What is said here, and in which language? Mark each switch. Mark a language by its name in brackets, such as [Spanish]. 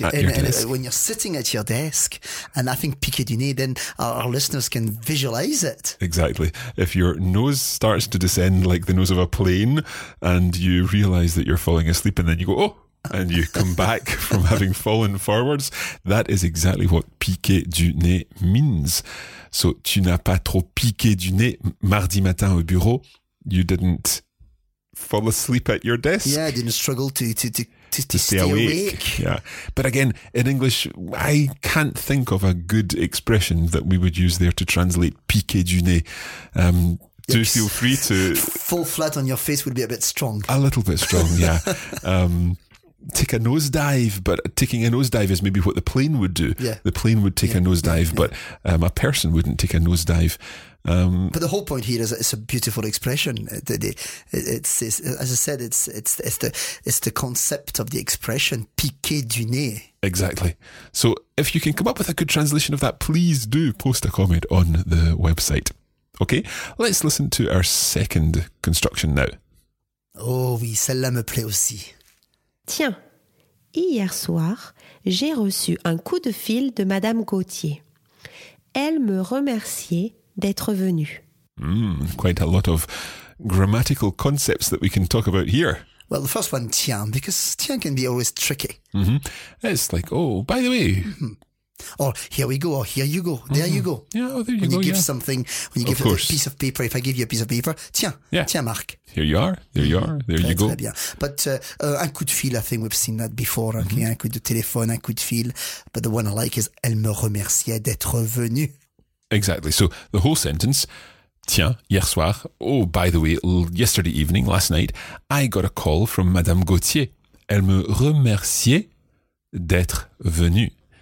[English] When you're sitting at your desk, and I think [French] piqué du nez, [English] then our listeners can visualize it. Exactly. If your nose starts to descend like the nose of a plane, and you realize that you're falling asleep, and then you go, oh, and you come back from having fallen forwards, that is exactly what [French] piqué du nez [English] means. [French] So, tu n'as pas trop piqué du nez mardi matin au bureau. [English] You didn't fall asleep at your desk. Yeah, I didn't struggle to stay awake. Yeah. But again, in English, I can't think of a good expression that we would use there to translate [French] piqué du nez. [English] Feel free to... Fall flat on your face would be a bit strong. A little bit strong, yeah. take a nosedive, but taking a nosedive is maybe what the plane would do. Yeah. The plane would take a nosedive, but a person wouldn't take a nosedive. But the whole point here is it's a beautiful expression. It's, as I said, it's the concept of the expression, [French] piquer du nez. [English] Exactly. So if you can come up with a good translation of that, please do post a comment on the website. Okay, let's listen to our second construction now. [French] Oh oui, celle-là me plaît aussi. Tiens, hier soir, j'ai reçu un coup de fil de Madame Gauthier. Elle me remerciait d'être venue. [English] Quite a lot of grammatical concepts that we can talk about here. Well, the first one, tiens, because tiens can be always tricky. Mm-hmm. It's like, oh, by the way. Mm-hmm. Or here we go, or here you go, there you go. Yeah, oh, there you when go, you give yeah. something, when you give a piece of paper, if I give you a piece of paper, tiens, tiens, Marc. Here you are, there you are, there you go. [French] Très bien. [English] But [French] un coup de fil, [English] I think we've seen that before. Mm-hmm. Okay, [French] un coup de téléphone, un coup de fil. [English] But the one I like is, [French] elle me remerciait d'être venue. [English] Exactly. So the whole sentence, [French] tiens, hier soir, [English] oh, by the way, yesterday evening, last night, I got a call from Madame Gauthier. [French] Elle me remerciait d'être venue.